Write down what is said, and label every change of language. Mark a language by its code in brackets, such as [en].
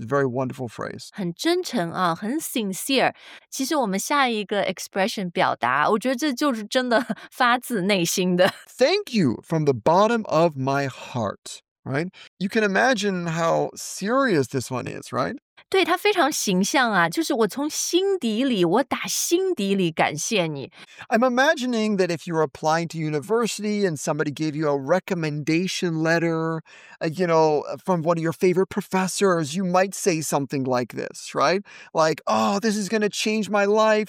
[en] It's a very wonderful phrase. [zh] 很真诚啊，很 sincere. 其实我们下一个 expression 表达，我觉得这就是真的发自内心的。 [en] Thank you from the bottom of my heart, right? You can imagine how serious this one is, right? [zh] 对，它非常形象啊，就是我从心底里，我打心底里感谢你。 [en] I'm imagining that if you're applying to university and somebody gave you a recommendation letter, you know, from one of your favorite professors, you might say something like this, right? Like, oh, this is going to change my life.